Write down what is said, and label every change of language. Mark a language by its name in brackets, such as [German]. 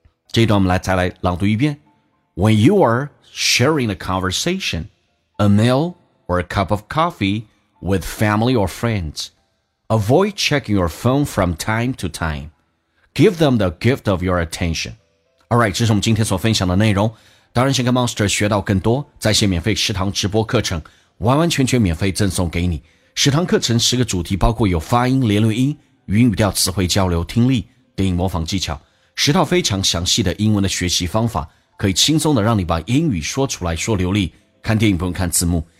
[Chinese] 这一段我们来再来朗读一遍。 [English] When you are sharing a conversation, a meal or a cup of coffee with family or friends, avoid checking your phone from time to time. Give them the gift of your attention. Alright, [Chinese] 这是我们今天所分享的内容。当然想跟 Monster 学到更多，在线免费食堂直播课程完完全全免费赠送给你。食堂课程十个主题，包括有发音、连轮音、语音语调、词汇交流、听力、电影模仿技巧，十套非常详细的英文的学习方法，可以轻松的让你把英语说出来说流利，看电影不用看字幕。